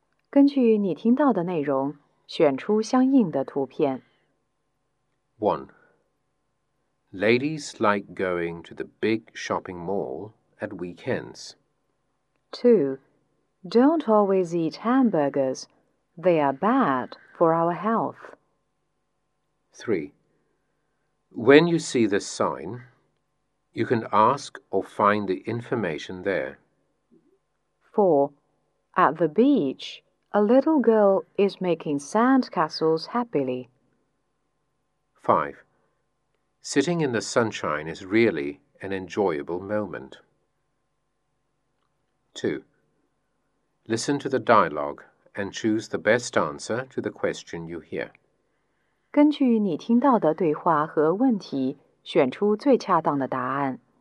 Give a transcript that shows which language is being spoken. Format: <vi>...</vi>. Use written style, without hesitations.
<zh>根据你听到的内容，选出相应的图片。 1.</zh> <en>Ladies like going to the big shopping mall at weekends. 2. Don't always eat hamburgers. They are bad for our health. 3. When you see the sign, you can ask or find the information there. 4. At the beach, a little girl is making sandcastles happily. 5. Sitting in the sunshine is really an enjoyable moment. 2. Listen to the dialogue and choose the best answer to the question you hear.</en> <zh>根据你听到的对话和问题，选出最恰当的答案。</zh>